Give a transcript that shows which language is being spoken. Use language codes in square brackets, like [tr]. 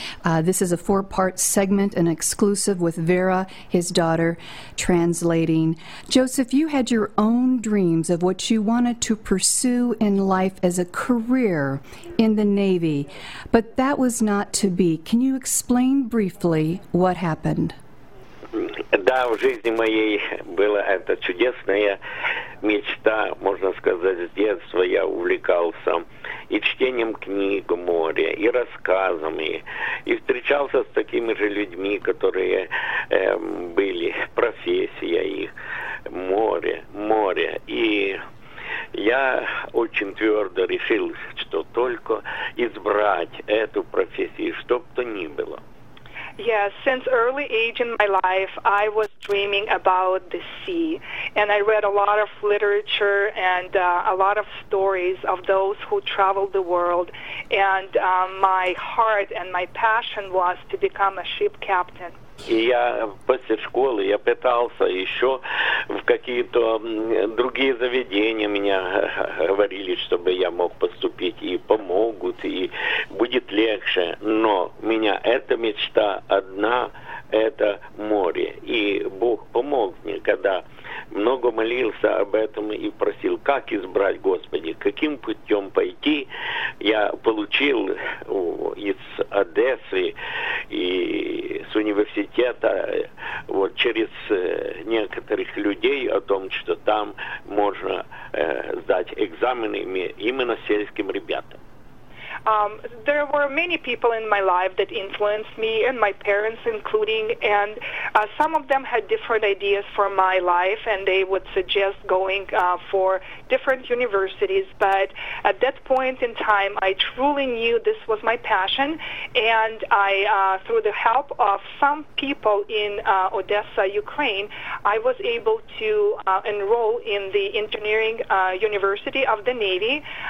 [en] This is a four-part segment, an exclusive with Vera, his daughter, translating. Joseph, you had your own dreams of what you wanted to pursue in life as a career in the Navy, but that was not to be. Can you explain briefly what happened? [ru] Да, в жизни моей была эта чудесная мечта, можно сказать, с детства я увлекался и чтением книг о море, и рассказами, и встречался с такими же людьми, которые были профессия их море. И я очень твердо решил, что только избрать эту профессию, что бы то ни было. [en] Yes, since early age in my life, I was dreaming about the sea. And I read a lot of literature and a lot of stories of those who traveled the world. And my heart and my passion was to become a ship captain. [ru] И я после школы я пытался еще в какие-то другие заведения, меня говорили, чтобы я мог поступить, и помогут, и будет легче. Но у меня эта мечта одна – это море. И Бог помог мне, когда много молился об этом и просил, как избрать, Господи, каким путем пойти. Я получил из Одессы и с университета вот через некоторых людей о том, что там можно сдать экзамены именно сельским ребятам. [en] There were many people in my life that influenced me, and my parents including, and some of them had different ideas for my life, and they would suggest going for different universities, but at that point in time, I truly knew this was my passion, and I, through the help of some people in Odessa, Ukraine, I was able to enroll in the engineering university of the Navy,